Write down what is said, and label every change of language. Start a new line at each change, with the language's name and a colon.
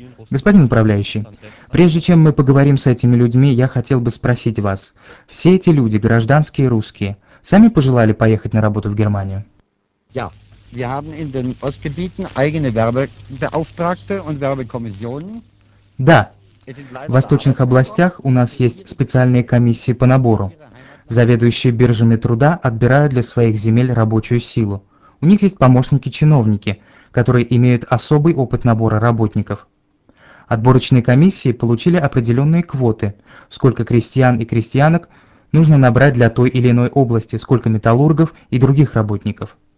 Russian: Господин управляющий, прежде чем мы поговорим с этими людьми, я хотел бы спросить вас. Все эти люди, гражданские русские, сами пожелали поехать на работу в Германию?
German: Ja, wir haben in den Ostgebieten eigene Werbebeauftragte und Werbekommissionen.
Russian: Да, в восточных областях у нас есть специальные комиссии по набору. Заведующие биржами труда отбирают для своих земель рабочую силу. У них есть помощники-чиновники, которые имеют особый опыт набора работников. Отборочные комиссии получили определенные квоты, сколько крестьян и крестьянок нужно набрать для той или иной области, сколько металлургов и других работников.